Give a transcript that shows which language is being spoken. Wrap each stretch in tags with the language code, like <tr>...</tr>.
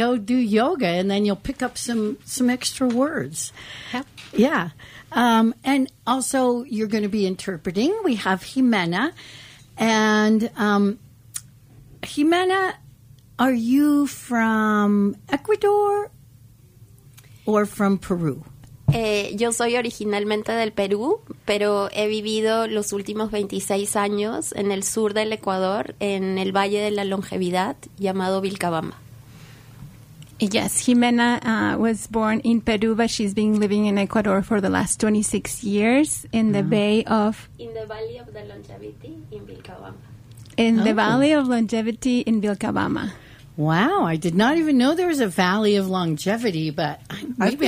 <en>Go do yoga, and then you'll pick up some extra words. Yep. Yeah. And also, you're going to be interpreting. We have Jimena. And Jimena, are you from Ecuador or from Peru?</en> <es>Yo soy originalmente del Perú, pero he vivido los últimos 26 años en el sur del Ecuador, en el Valle de la Longevidad, llamado Vilcabamba.</es> <en>Yes, Jimena was born in Peru, but she's been living in Ecuador for the last 26 years in the Bay of... In the Valley of the Longevity in Vilcabamba. In the Valley of Longevity in Vilcabamba. Wow, I did not even know there was a Valley of Longevity, but maybe</en>